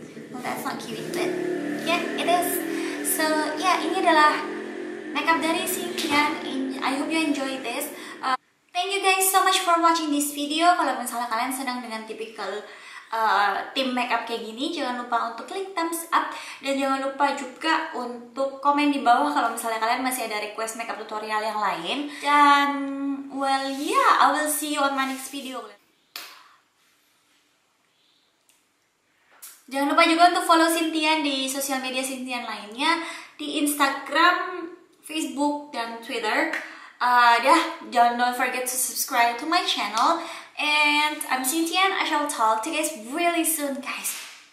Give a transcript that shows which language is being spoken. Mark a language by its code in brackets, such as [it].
[en] Well, that's not cute, but yeah, it is. So, yeah, [id] ini adalah makeup dari Cynthia. [en] I hope you enjoy this. Thank you guys so much for watching this video. [id] Kalau misalnya kalian senang dengan typical tim makeup kayak gini, jangan lupa untuk klik thumbs up. Dan jangan lupa juga untuk komen di bawah kalau misalnya kalian masih ada request makeup tutorial yang lain. Dan, [en] well, yeah, I will see you on my next video. [id] Jangan lupa juga untuk follow Cynthia di sosial media Cynthia lainnya, di Instagram, Facebook, dan Twitter. [en] Yeah, don't forget to subscribe to my channel. And I'm Cynthia, I shall talk to you guys really soon, guys. Bye!